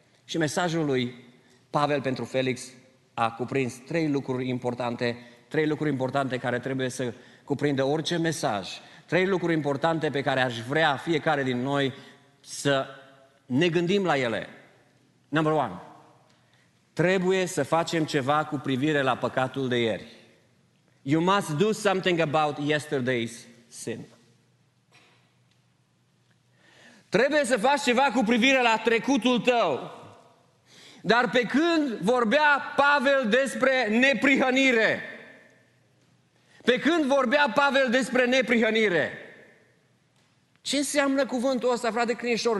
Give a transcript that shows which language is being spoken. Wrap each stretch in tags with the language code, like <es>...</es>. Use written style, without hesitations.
<ro>Și mesajul lui Pavel pentru Felix a cuprins trei lucruri importante care trebuie să cuprindă orice mesaj, trei lucruri importante pe care aș vrea fiecare din noi să ne gândim la ele.</ro> <en>Number one,</en> <ro>trebuie să facem ceva cu privire la păcatul de ieri.</ro> <en>You must do something about yesterday's sin.</en> <ro>Trebuie să faci ceva cu privire la trecutul tău. Dar pe când vorbea Pavel despre neprihănire, ce înseamnă cuvântul ăsta, frate Crișor?</ro>